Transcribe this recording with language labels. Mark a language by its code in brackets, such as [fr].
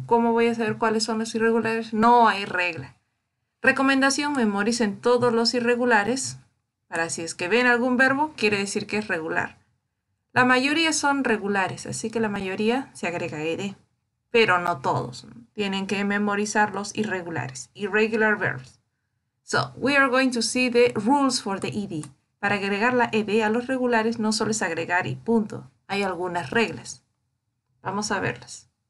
[es] ¿Cómo voy a saber cuáles son los irregulares? No hay regla. Recomendación, memoricen todos los irregulares. Para si es que ven algún verbo, quiere decir que es regular. La mayoría son regulares, así que la mayoría se agrega ed. Pero no todos. Tienen que memorizar los irregulares. [en] Irregular verbs. So, we are going to see the rules for the ED. [es] Para agregar la ED a los regulares, no solo es agregar y punto. Hay algunas reglas. Vamos a verlas.